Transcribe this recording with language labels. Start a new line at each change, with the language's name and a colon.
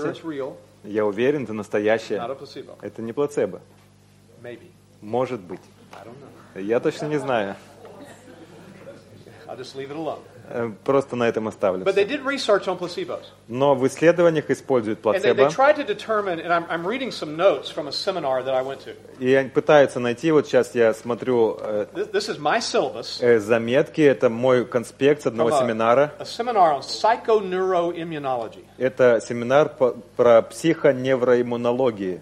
English: I'm sure it's real.
Russian: Я уверен, это настоящее.
English: Not a placebo.
Russian: Это не плацебо.
English: Maybe.
Russian: Может быть.
English: I don't know.
Russian: Я точно не знаю.
English: I'll just leave it alone.
Russian: Просто на этом оставлю.
English: But they did research on placebos.
Russian: Но в исследованиях используют плацебо.
English: And they tried to determine, and I'm reading some notes from a seminar that I went to.
Russian: И они пытаются найти, вот сейчас я смотрю
English: this is my syllabus.
Russian: Заметки, это мой конспект с одного семинара.
English: A seminar on psychoneuroimmunology.
Russian: Это семинар про психоневроиммунологии.